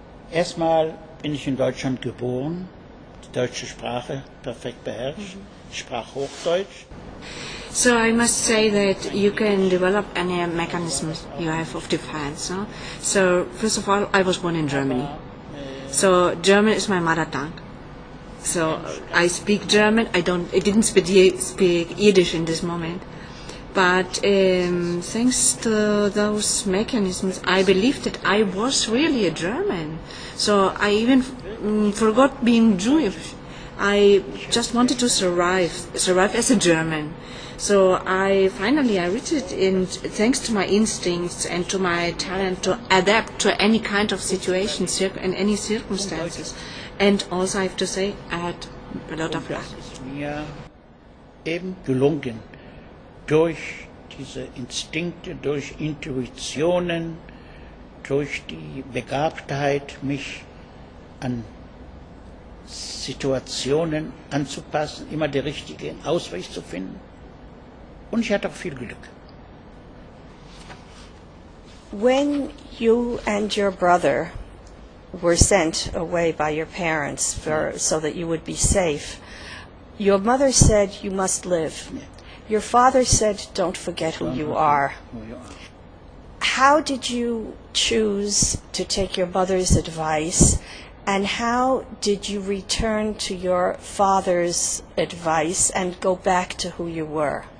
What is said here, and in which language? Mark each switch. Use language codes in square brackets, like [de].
[de] Erstmal bin ich in Deutschland geboren, die deutsche Sprache perfekt beherrscht, sprach Hochdeutsch. [en] So I must say that you can develop any mechanisms you have of defense. Huh? So first of all, I was born in Germany. So German is my mother tongue. So I speak German. I didn't speak Yiddish in this moment, but thanks to those mechanisms, I believed that I was really a German. So I even forgot being Jewish. I just wanted to survive as a German. So I reached it, and thanks to my instincts and to my talent to adapt to any kind of situation and any circumstances. And also, I have to say, I had a lot of luck. [de] Es ist mir eben gelungen, durch diese Instinkte, durch Intuitionen, durch die Begabtheit, mich an Situationen anzupassen, immer den richtigen Ausweg zu finden. Und ich hatte auch viel Glück. [en] When you and your brother were sent away by your parents for, so that you would be safe, your mother said, you must live. Your father said, don't forget who you are. How did you choose to take your mother's advice, and how did you return to your father's advice and go back to who you were?